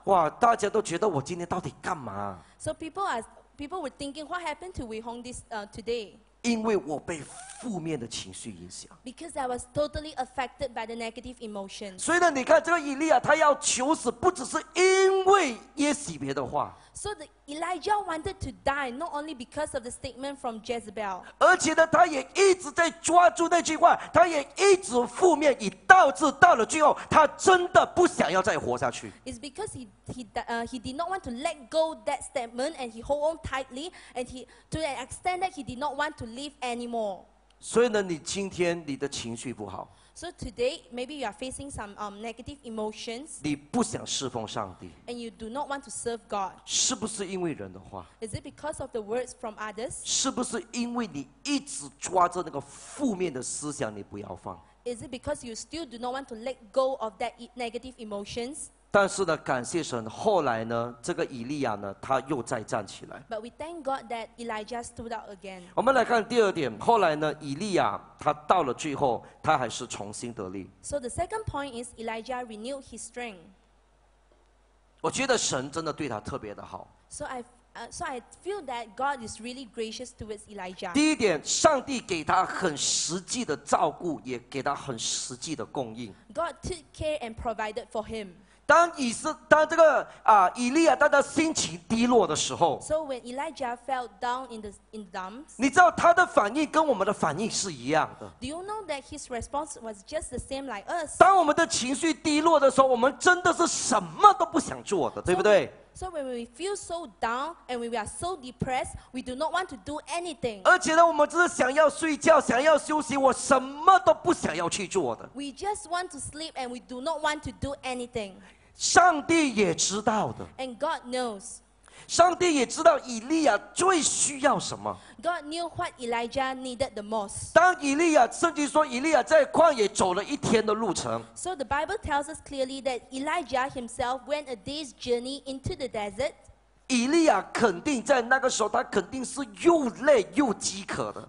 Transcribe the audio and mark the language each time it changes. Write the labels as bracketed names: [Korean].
[Chinese] 哇，大家都觉得我今天到底干嘛 [English] ？So people were thinking, what happened to Wei Hong this today? [Chinese] 因为我被负面的情绪影响。 [English] Because I was totally affected by the negative emotion. [Chinese] 所以呢，你看这个以利亚，他要求死，不只是因为耶洗别的话。 [English] So the Elijah wanted to die not only because of the statement from Jezebel. [Chinese] 而且呢，他也一直在抓住那句话，他也一直负面，以导致到了最后，他真的不想要再活下去。 [English] It's because he did not want to let go that statement and he hold on tightly and he to an extent that he did not want to live anymore. [Chinese] 所以呢，你今天你的情绪不好。 [English] So today, maybe you are facing some negative emotions. [Chinese] 你不想侍奉上帝。 [English] And you do not want to serve God. [Chinese] 是不是因为人的话 [English] ？Is it because of the words from others? [Chinese] 是不是因为你一直抓着那个负面的思想，你不要放 [English] ？Is it because you still do not want to let go of that negative emotions? [Chinese] 但是呢，感谢神，后来呢，这个以利亚呢，他又再站起来。 [English] But we thank God that Elijah stood up again. [Chinese] 我们来看第二点，后来呢，以利亚。他到了最后，他还是重新得力。 [English] So the second point is Elijah renewed his strength. [Chinese] 我觉得神真的对他特别的好。 [English] So I feel that God is really gracious towards Elijah. [Chinese] 第一点，上帝给他很实际的照顾，也给他很实际的供应。 [English] God took care and provided for him. [Chinese] 当以利亚当他心情低落的时候 [English] ，So when Elijah fell down in the dumps， [Chinese] 你知道他的反应跟我们的反应是一样的。 [English] Do you know that his response was just the same like us？ [Chinese] 当我们的情绪低落的时候，我们真的是什么都不想做的，对不对 [English] ？So when we feel so down and we are so depressed， we do not want to do anything。 [Chinese] 而且呢，我们只是想要睡觉，想要休息，我什么都不想要去做的。 [English] We just want to sleep and we do not want to do anything。 [Chinese] 上帝也知道的。 [English] And God knows. [Chinese] 上帝也知道以利亚最需要什么。 [English] God knew what Elijah needed the most. [Chinese] 当以利亚，圣经说以利亚在旷野走了一天的路程。 [English] So the Bible tells us clearly that Elijah himself went a day's journey into the desert. [Chinese] 以利亚肯定在那个时候，他肯定是又累又饥渴的。